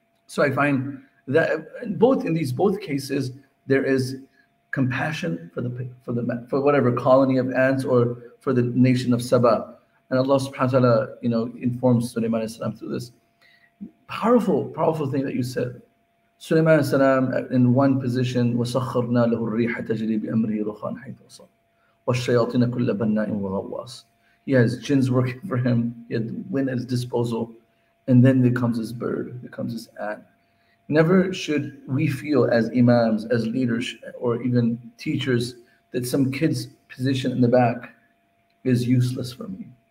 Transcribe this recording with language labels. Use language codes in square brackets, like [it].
[en] So I find that in both cases, there is compassion for whatever colony of ants or for the nation of Saba. And Allah subhanahu wa ta'ala, you know, informs Sulaiman alayhi salam through this. Powerful, powerful thing that you said. Sulaiman alayhi salam in one position, [ar] وَسَخَّرْنَا لَهُ الرِّيحَ تَجْرِي بِأَمْرِهِ رُخَانْ حَيْثُ وَصَلْ وَالشَّيَاطِينَ كُلَّ بَنَّاءٍ وَغَوَّاسٍ. [en] He has jinns working for him. He had wind at his disposal. And then there comes this bird, there comes this ant. Never should we feel as imams, as leaders, or even teachers, that some kid's position in the back is useless for me.